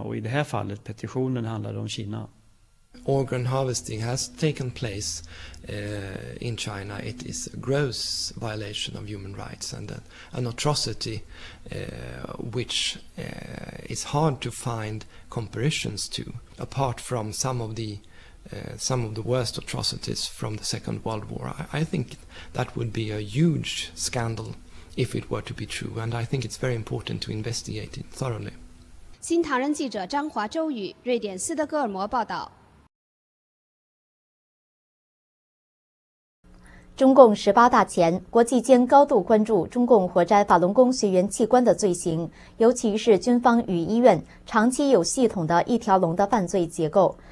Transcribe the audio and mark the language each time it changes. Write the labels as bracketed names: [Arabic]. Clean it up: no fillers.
[Swedish] Och i det här fallet, petitionen handlade om Kina. [English] Organ harvesting has taken place in China. It is a gross violation of human rights and an atrocity which is hard to find comparisons to, apart from some of the worst atrocities from the Second World War. I think that would be a huge scandal if it were to be true, and I think it's very important to investigate it thoroughly. [Chinese] 新唐人记者张华、周宇，瑞典斯德哥尔摩报道。中共十八大前，国际间高度关注中共活摘法轮功学员器官的罪行，尤其是军方与医院长期有系统的一条龙的犯罪结构。